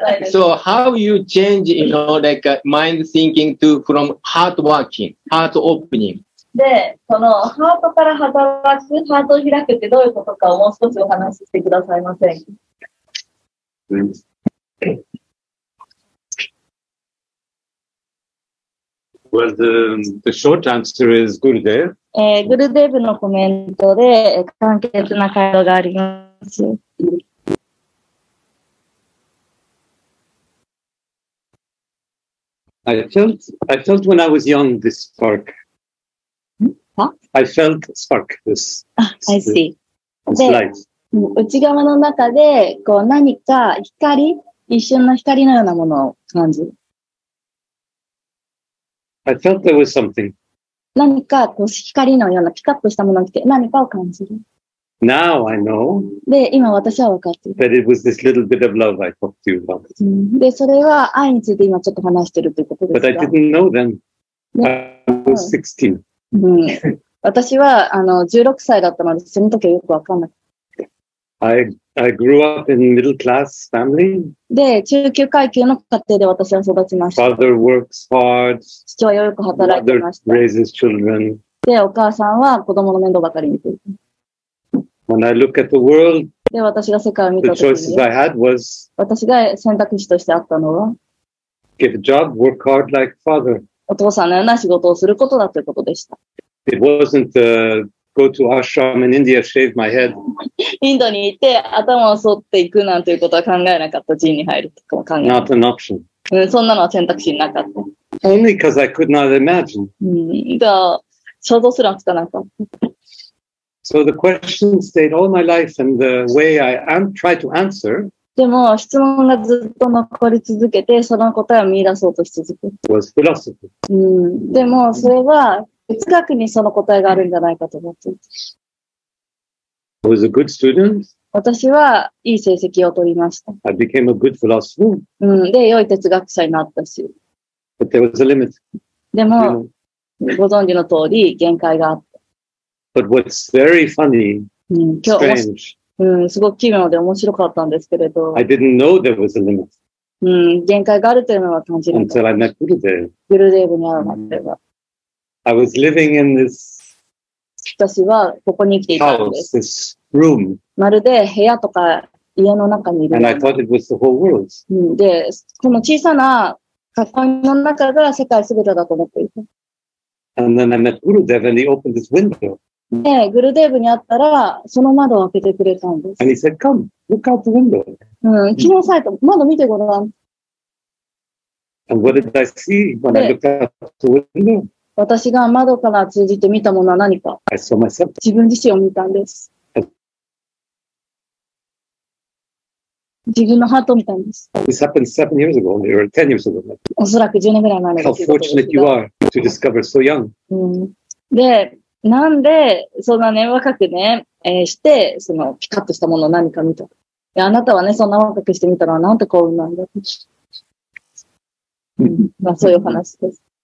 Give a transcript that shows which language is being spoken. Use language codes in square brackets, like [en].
[en] So how you change, you know, like mind thinking to from heart working, heart opening? [ja] で、そのハートから働く、ハートを開くってどういうことかをもう少しお話ししてくださいませんか。 [en] Well, the short answer is Gurudev. [ja] Gurudev のコメントで簡潔な回答があります。 [en] I felt when I was young this spark. Huh? I felt spark this. I see. This light. [ja] 内側の中でこう何か光、一瞬の光のようなものを感じる。 [en] I felt there was something. [ja] 何かこう光のようなピカッとしたものを見て何かを感じる。 [en] Now I know. [ja] で、今私は分かっている。 [en] That it was this little bit of love I talked to you about. [ja] で、それは愛について今ちょっと話しているということです [en] が。But I didn't know then. I was 16. [ja] うん、私は、16歳だったので、その時はよくわかんなかった。 [en] I grew up in middle class family. [ja] で、中級階級の家庭で私は育ちました。 [en] Father works hard. [ja] 父はよく働いてました。 [en] Mother raises children. [ja] で、お母さんは子供の面倒ばかり見ている。 [en] When I look at the world, [ja] で、私が世界を見た時に、 [en] the choices I had was, [ja] 私が選択肢としてあったのは、 [en] get a job, work hard like father. [ja] お父さんのような仕事をすることだということでした。 [en] It wasn't a,Go to ashram in India, shave my head. [ja] インドに行って頭を剃っていくなんていうことは考えなかった。寺院に入るとかは考えなかった。 [en] Not an option. [ja] うん、そんなのは選択肢なかった。 [en] Only because I could not imagine. [ja] だから想像すらつかなかった。 [en] So the question stayed all my life, and the way I try to answer. [ja] でも質問がずっと残り続けて、その答えを見出そうとし続けて。 [en] Was philosophy. [ja] でもそれは。哲学にその答えがあるんじゃないかと思ってい [en] た。I was a good student. [ja] 私はいい成績を取りました。 [en] I became a good philosopher. [ja] で、良い哲学者になったし。 [en] But there was a limit. [ja] でも、yeah. ご存知の通り、限界があった。 [en] But what's very funny, strange. [ja] すごく奇妙で面白かったんですけれど。 [en] I didn't know there was a limit. [ja] 限界があるというのは感じなかった。 [en] Until I met [ja] グルデーブに会うまでは。 [en] I was living in this. [ja] 私はここに来ていたんです。 [en] House, this room. [ja] まるで部屋とか家の中にいる。 [en] And I thought it was the whole world. [ja] で、この小さな囲いの中が世界すべてだと思っていた。 [en] And then I met Gurudev and he opened this window. [ja] で、グルデーブに会ったらその窓を開けてくれたんです。 [en] And he said, "Come, look out the window." [ja] 来なさいと窓見てごらん。 [en] And what did I see when I looked out the window? [ja] 私が窓から通じて見たものは何か。 [en] I saw myself. [ja] 自分自身を見たんです。自分のハートを見たんです。 [en] This happened 7 years ago, or 10 years ago. [ja] おそらく10年ぐらい前です。 [en] How fortunate you are to discover so young. [ja] で、なんでそんなね、若くね、して、そのピカッとしたものを何か見た。で、あなたはね、そんな若くして見たのはなんて幸運なんだ。まあ、そういう話です。